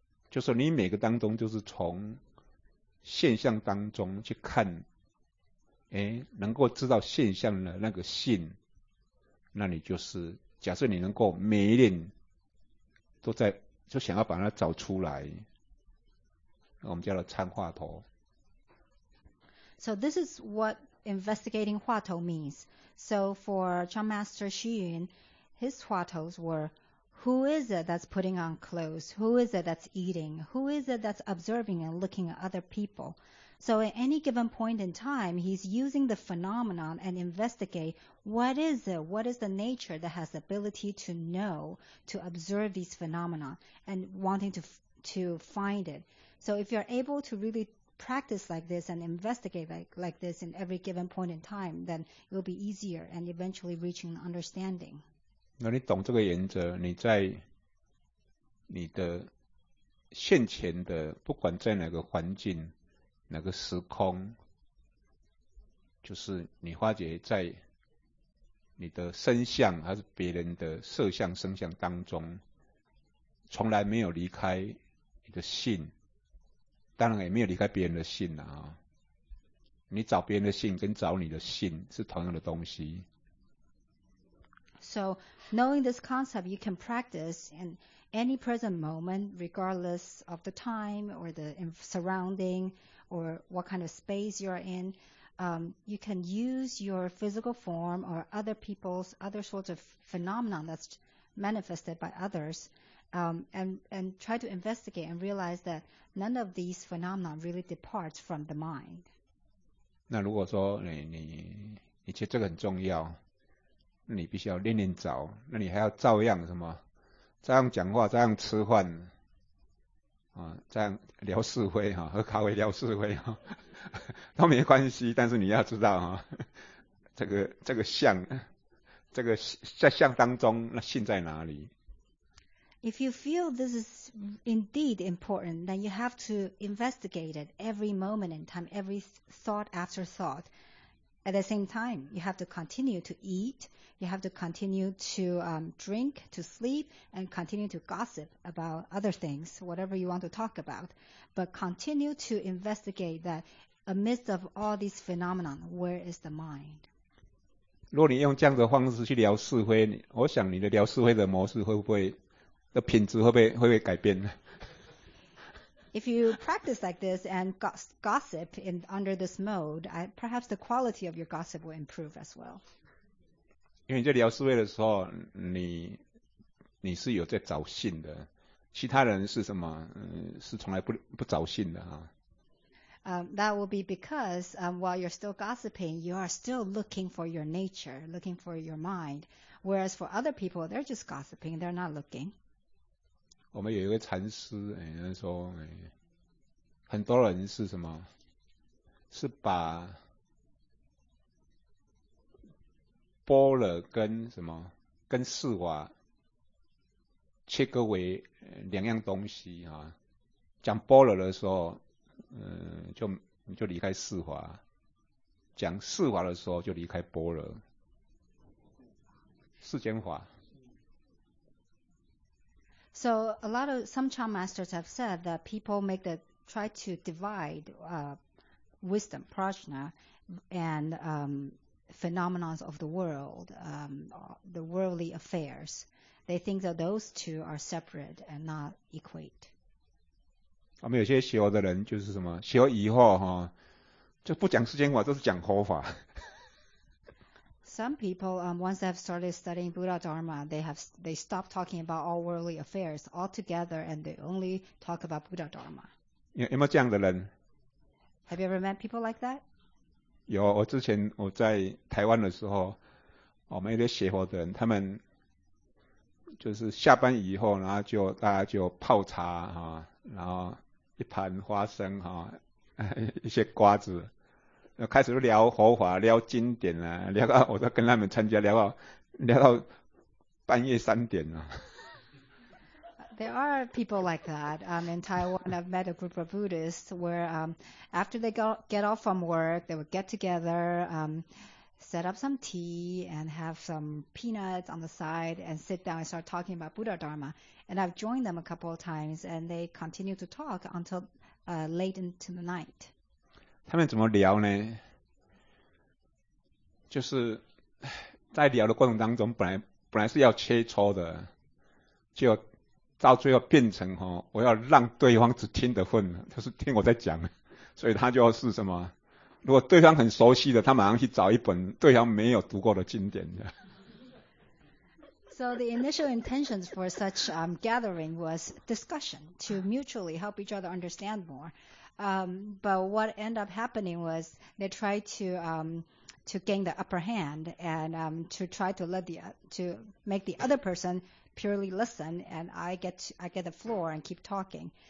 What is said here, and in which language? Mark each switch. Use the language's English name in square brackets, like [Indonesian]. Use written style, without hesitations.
[Chinese] 就是你每个当中，就是从现象当中去看，哎，能够知道现象的那个性，那你就是假设你能够每一点都在，就想要把它找出来，那我们叫做参话头。 [English] So this is what investigating Hua Tou means. So for Chan Master Xu Yun, his Hua Tous were, who is it that's putting on clothes? Who is it that's eating? Who is it that's observing and looking at other people? So at any given point in time, he's using the phenomenon and investigate what is it, what is the nature that has the ability to know, to observe these phenomena and wanting to find it. So if you're able to really practice like this and investigate like this in every given point in time, then it will be easier and eventually reaching an understanding. [Chinese] 那你懂这个原则，你在你的现前的，不管在哪个环境、哪个时空，就是你发觉在你的身相还是别人的色相、声相当中，从来没有离开你的性。当然也没有离开别人的性啊，你找别人的性跟找你的性是同样的东西。 [English] So knowing this concept, you can practice in any present moment, regardless of the time or the surrounding or what kind of space you are in. You can use your physical form or other people's other sorts of phenomena that's manifested by others. And try to investigate and realize that none of these phenomena really departs from the mind. [Chinese] 那如果说你觉得这个很重要，那你必须要练练找，那你还要照样什么？照样讲话，照样吃饭，啊，照样聊是非哈、啊，喝咖啡聊是非哈、啊，都没关系。但是你要知道哈、啊，这个相，这个在相当中，那性在哪里？ [English] If you feel this is indeed important, then you have to investigate it every moment in time, every thought after thought. At the same time, you have to continue to eat, you have to continue to drink, to sleep, and continue to gossip about other things, whatever you want to talk about. But continue to investigate that amidst of all these phenomena, where is the mind? [Chinese] 如果你用这样的方式去聊是非，我想你的聊是非的模式会不会的品质会不会改变呢？ [English] If you practice like this and gossip in under this mode, perhaps the quality of your gossip will improve as well. [Chinese] 因为你在聊是非的时候，你是有在找性的，其他人是什么？是从来不找性的哈。 [English] That will be because while you're still gossiping, you are still looking for your nature, looking for your mind. Whereas for other people, they're just gossiping, they're not looking. [Chinese] 我们有一位禅师，哎，他说，哎，很多人是什么？是把波罗跟什么跟四瓦切割为两样东西啊。讲波罗的时候，就离开四瓦；讲四瓦的时候，就离开波罗。世间法。 [English] So a lot of some Chan masters have said that people make the try to divide wisdom, prajna, and phenomena of the world, the worldly affairs. They think that those two are separate and not equate. [Chinese] 我们有些学佛的人就是什么学佛以后哈，就不讲世间法，都是讲佛法。 [English] Some people, once they have started studying Buddha Dharma, they stop talking about all worldly affairs altogether, and they only talk about Buddha Dharma. [Chinese] 有没有这样的人？ [English] Have you ever met people like that? [Chinese] 有，我之前我在台湾的时候，我们一些学佛的人，他们就是下班以后，然后就大家就泡茶哈、啊，然后一盘花生哈、啊，一些瓜子，然后开始聊佛法、聊经典啊，聊到我都跟他们参加，聊到半夜三点啊。 [English] There are people like that. In Taiwan, I've met a group of Buddhists where after they get off from work, they would get together, set up some tea and have some peanuts on the side and sit down and start talking about Buddha Dharma. And I've joined them a couple of times and they continue to talk until late into the night. [Chinese] 他们怎么聊呢？就是在聊的过程当中本来是要切磋的，就到最后变成、哦、我要让对方只听得混，就是听我在讲，所以他就是什么，如果对方很熟悉的，他马上去找一本对方没有读过的经典的。 [English] So the initial intentions for such gathering was discussion to mutually help each other understand more. But what ended up happening was they tried to gain the upper hand and to try to let the to make the other person purely listen, and I get the floor and keep talking.